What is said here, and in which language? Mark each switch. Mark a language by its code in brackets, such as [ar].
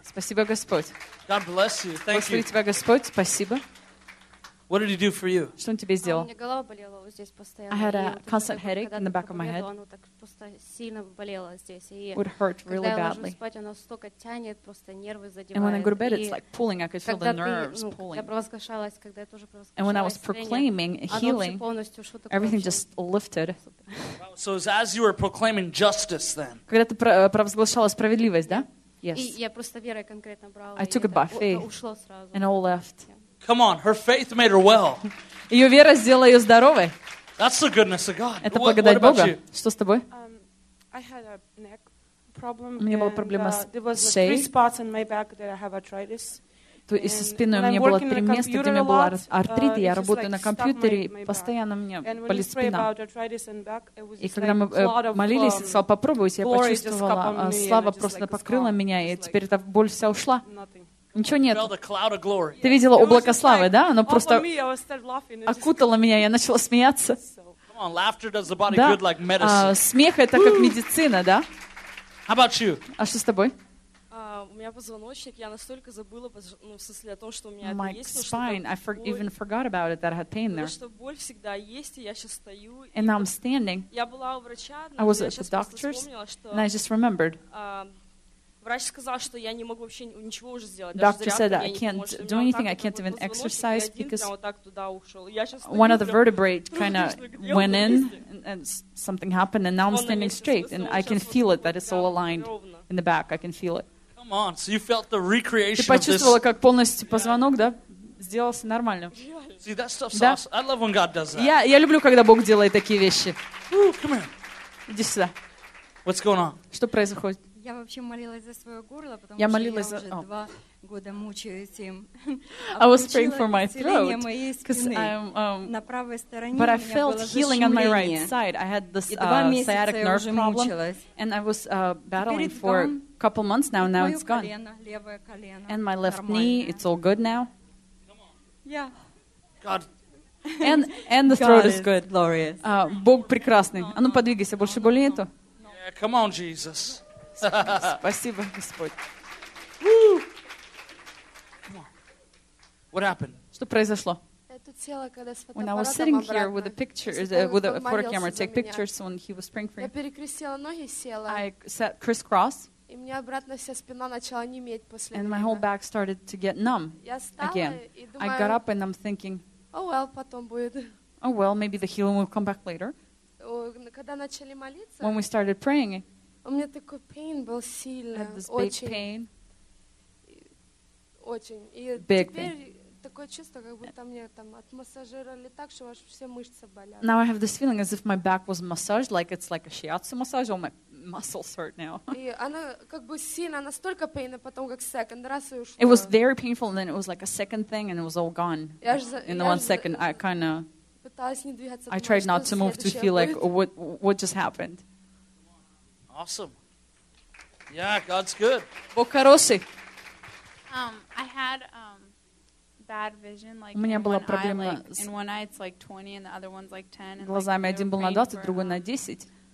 [ru] Спасибо, Господь. [en] God bless you. Thank you. [ru] Тебя, Господь. Спасибо. [en] What did he do for you? [ru] Что он тебе сделал? У меня голова болела вот здесь постоянно. [en] I had a constant headache in the back of my head. [ru] Оно так просто сильно болело здесь. [en] It would hurt really badly. [ru] Когда я ложусь спать, оно столько тянет, просто нервы задевает. [en] And when I go to bed, it's like pulling. I could feel the nerves pulling. [ru] Я провозглашалась, когда я тоже провозглашалась. [en] And when I was proclaiming healing, everything just lifted. So it's as you were proclaiming justice then. [ru] Когда ты провозглашала справедливость, да? [en] Yes. [ru] И я просто верой конкретно брала. [en] I took it by faith. [ru] Ушло сразу. [en] And all left. Come on, her faith made her well. [ru] Ее вера сделала ее здоровой. [en] That's the goodness of God. [ru] Это благодать Бога. Что с тобой? [en] I had a neck problem. [ru] У меня была проблема с шеей. [en] There was three spots in my back that I have arthritis. [ru] То есть со спиной у меня было три места, где у меня была артрит, я работаю на компьютере, постоянно мне болит спина. И когда мы молились, сказал, попробуйте, я почувствовала, слава просто покрыла меня, и теперь эта боль вся ушла. Ничего нет. Ты видела облако славы, да? Оно просто окутало меня, я начала смеяться. Да, смех — это как медицина, да? [en] How about you? [ru] А что с тобой? У меня позвоночник, я настолько забыла, ну, в смысле о том, что у меня [en] my [ru] это есть. [en] My spine, [ru] что [en] I even forgot about it, that I had pain there. [ru] Потому что боль всегда есть, и я сейчас стою. [en] And now I'm standing. [ru] Я была у врача, но я сейчас просто вспомнила, что... [en] And I just remembered. [ru] Врач сказал, что я не могу вообще ничего уже сделать. [en] Doctor said that I can't do anything, I can't even exercise, because [ru] вот так туда ушел. Я сейчас стою, [en] one of the vertebrae kind of went in, and something happened, and now I'm standing straight, and I can feel it, that it's all aligned in the back. I can feel it. Come on, so you felt the recreation. [ru] Ты почувствовала, как полностью позвонок, да, сделался нормально. [en] See, that stuff's awesome. I love when God does that. [ru] Я люблю, когда Бог делает такие вещи. [en] Come here. [ru] Иди сюда. [en] What's going on? [ru] Что происходит? Я вообще молилась за свое горло, потому что я уже два года мучаюсь им. [en] I was praying for my throat, because [ru] на правой стороне. [en] But I felt healing on my right side. I had this sciatic nerve problem, and I was battling for couple months now, and now it's gone. And my left knee, it's all good now. Yeah. God. And the God throat is good. Glorious. [ru] Бог прекрасный. А ну подвигайся, больше боли нету? [en] Yeah, come on, Jesus. [ru] Спасибо, Господь. [en] Woo! Come on. What happened? [ru] Что произошло? [en] When I was sitting here with a picture, with a photo camera, take pictures when he was praying for me. [ru] Я перекрестила ноги, села. [en] I sat crisscross. [ru] И мне обратно вся спина начала неметь после этого. [en] And my whole back started to get numb again. I got up and I'm thinking, oh well, [ru] потом будет. [en] Oh well, maybe the healing will come back later. [ru] Когда начали молиться, [en] when we started praying, [ru] у меня такой pain был сильный, [en] had this big [ru] очень, [en] pain. [ru] Очень. И big теперь такое чувство, как будто мне там отмассажировали так, что аж все мышцы болят. [en] Now I have this feeling as if my back was massaged, like it's like a shiatsu massage, all my muscles hurt now. It was very painful, and then it was like a second thing, and it was all gone. In the 1 second, I kind of, I tried not to move to feel like what just happened. Awesome. Yeah, God's good. [ru] Бог хороший. [en] I had bad vision, like in one eye, like, in one eye it's like 20, and the other one's like 10. [ru] Глазами один был на 20, другой на 10.